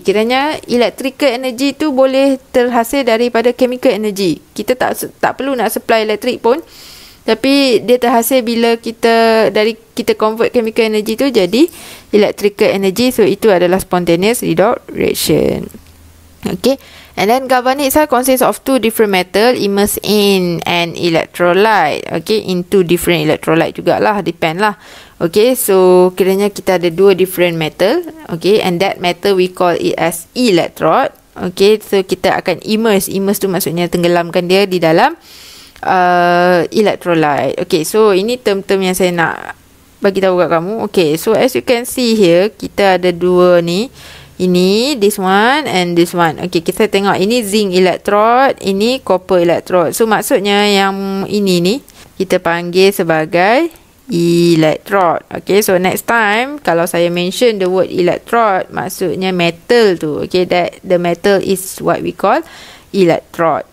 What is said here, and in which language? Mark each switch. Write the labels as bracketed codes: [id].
[ms] Kiranya electrical energy tu boleh terhasil daripada chemical energy. Kita tak perlu nak supply elektrik pun. Tapi dia terhasil bila kita convert chemical energy tu jadi electrical energy. [en] So [ms] itu adalah [en] spontaneous redox reaction. Okay. And then galvanic cell consists of two different metal immersed in an electrolyte. Okay. In two different electrolyte jugalah. Depend lah. Okay. [ms] So kiranya kita ada dua different metal. Okay. [en] And that metal we call it as electrode. [ms] Okay. So kita akan immerse. Immerse tu maksudnya tenggelamkan dia di dalam electrolyte. Okay, so ini term-term yang saya nak bagi tahu kat kamu. [en] Okay, so as you can see here, [ms] kita ada dua ni. Ini, [en] this one and this one. [ms] Okay, kita tengok ini zinc electrode, ini copper electrode. So maksudnya yang ini ni kita panggil sebagai electrode. [en] Okay, so next time [ms] kalau saya [en] mention the word electrode, [ms] maksudnya metal tu. [en] Okay, that the metal is what we call electrode.